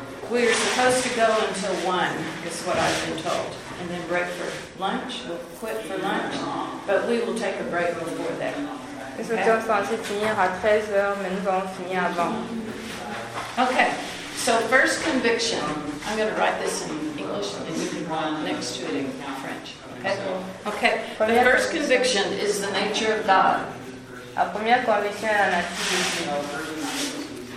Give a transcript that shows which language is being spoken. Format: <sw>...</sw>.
<en>We are supposed to go until 1, is what I've been told. And then break for lunch. We'll quit for lunch. But we will take a break before that.</en> <fr>Nous étions censés finir à 13h, mais nous allons finir avant.</fr> <en>Okay, so first conviction. I'm going to write this in English, and you can write next to it in French. Okay, the first conviction is the nature of God.</en> <fr>La première conviction est la nature de Dieu.</fr>